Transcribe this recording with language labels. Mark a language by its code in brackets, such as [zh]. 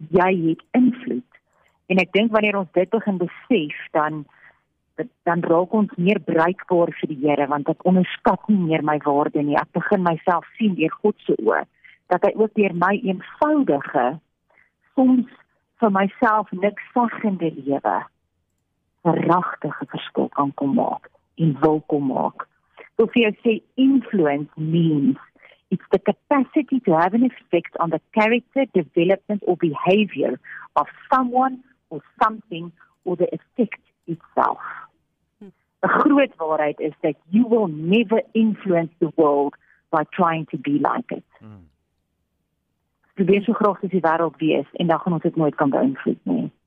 [af] Jy het invloed. En ek dink wanneer ons dit begin besef, dan raak ons meer bruikbaar vir die Here, want ek onderskat nie meer my waarde nie. Ek begin myself sien deur God se oë, dat hy ook deur my eenvoudige, soms vir myself niks saggende lewe, 'n regte verskil kan kom maak en wil kom maak. So vir jou sê, [en] influence means it's the capacity to have an effect on the character, development, or behavior of someone or something or the effect itself. A [af] groot waarheid [en] is that you will never influence the world by trying to be like it. [af] Jy wees so groot as die wêreld wees, en dan gaan ons dit nooit kan beïnvloed nie.